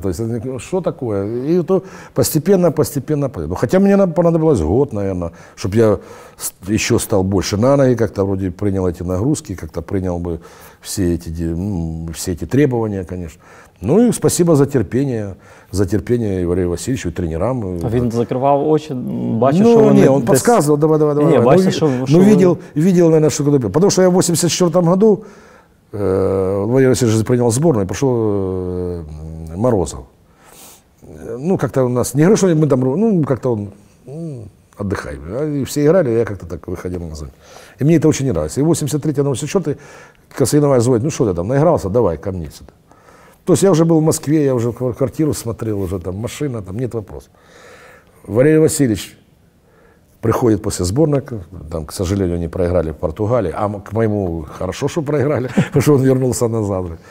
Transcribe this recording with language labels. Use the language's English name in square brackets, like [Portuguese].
[Russian] То есть, что такое? И то постепенно. Ну, хотя мне понадобилось год, наверное, чтобы я еще стал больше на ноги, как-то вроде принял эти нагрузки, как-то принял бы все эти требования, конечно. Ну и спасибо за терпение. За терпение Ивану Васильевичу, тренерам. [Ukrainian] А він закривав очі, бачив, ну, що вони... Ну, ні, він підказував, давай. Ні, бачив, що... [Russian] Ну, видел, наверное, що куди. [Ukrainian] Потому що я в 84-му году, Ивану Васильевичу прийняв зборну, і пішов Морозов. Ну, як-то у нас, не говорю, що ми там, ну, як-то він, отдыхай. [Russian] И все играли, я как-то так выходил на зону. И мне это очень не нравится. И 83-й, 84-й, Косыновая звонит, ну, что ты там, наигрался, давай ко мне сюда. То есть я уже был в Москве, я уже квартиру смотрел, уже там машина, там нет вопросов. Валерий Васильевич приходит после сборной, там, к сожалению, они проиграли в Португалии, а к моему хорошо, что проиграли, потому что он вернулся назад.